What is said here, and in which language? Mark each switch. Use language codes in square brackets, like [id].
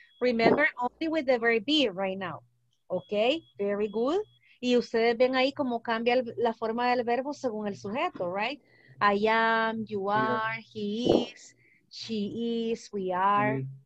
[en] Remember, only with the verb be right now. Okay, very good. [es] Y ustedes ven ahí cómo cambia la forma del verbo según el sujeto, right? [en] I am, you are, he is, she is, we are.